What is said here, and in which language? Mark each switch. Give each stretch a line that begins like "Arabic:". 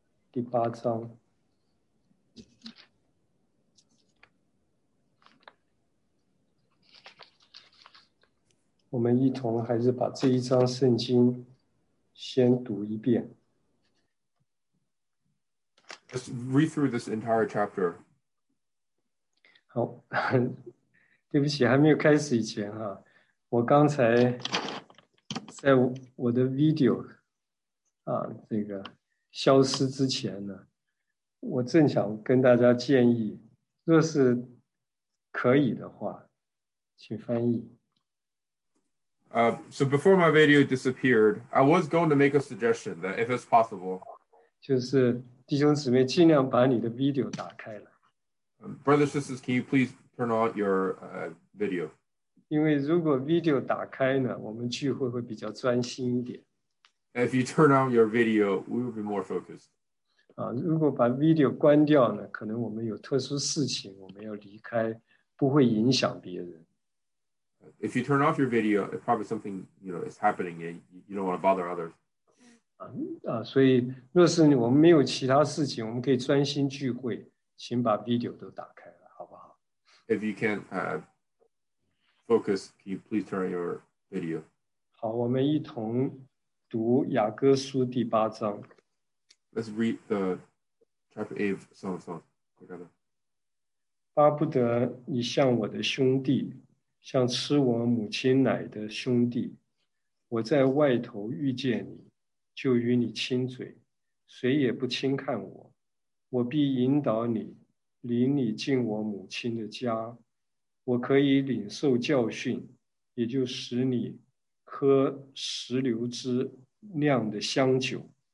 Chinese: 第八章。我们一同还是把这一章圣经先读一遍。
English: Let's read through this entire chapter.
Chinese: 好，对不起，还没有开始以前哈，我刚才在我的 video 啊这个消失之前呢，我正想跟大家建议，若是可以的话，请翻译。
English: So before my video disappeared, I was going to make a suggestion that if it's possible.
Chinese: 就是弟兄姊妹尽量把你的 video 打开了。
English: Brothers, sisters, can you please turn on your video?
Chinese: 因为如果 video 打开呢，我们聚会会比较专心一点。
English: If you turn on your video, we will be more focused.
Chinese: 如果把 video 关掉呢，可能我们有特殊事情，我们要离开，不会影响别人。
English: If you turn off your video, it's probably something, you know, is happening and you don't want to bother others.
Chinese: 所以若是我们没有其他事情，我们可以专心聚会，请把 video 都打开了，好不好？
English: If you can focus, can you please turn on your video?
Chinese: 好，我们一同读雅各书第八章。
English: Let's read the chapter 8 of Song of Songs together.
Chinese: 巴不得你像我的兄弟，像吃我母亲奶的兄弟，我在外头遇见你，就与你亲嘴，谁也不轻看我。我必引导你，领你进我母亲的家，我可以领受教训，也就使你喝石榴汁酿的香酒。